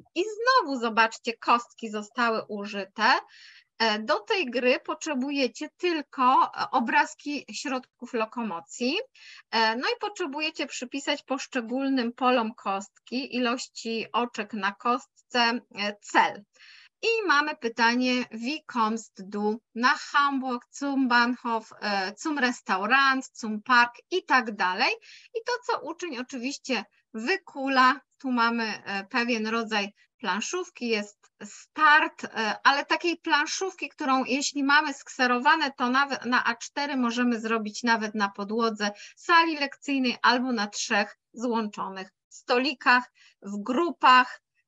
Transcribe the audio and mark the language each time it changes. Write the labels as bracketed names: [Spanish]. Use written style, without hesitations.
[Polish] I znowu zobaczcie, kostki zostały użyte. Do tej gry potrzebujecie tylko obrazki środków lokomocji, no i potrzebujecie przypisać poszczególnym polom kostki ilości oczek na kostce cel. I mamy pytanie, [German] wie kommst du nach Hamburg, zum Bahnhof, zum Restaurant, zum Park [Polish] i tak dalej. I to, co uczeń oczywiście wykula, tu mamy pewien rodzaj planszówki, jest start, ale takiej planszówki, którą jeśli mamy skserowane, to nawet na A4 możemy zrobić nawet na podłodze sali lekcyjnej albo na trzech złączonych stolikach, w grupach.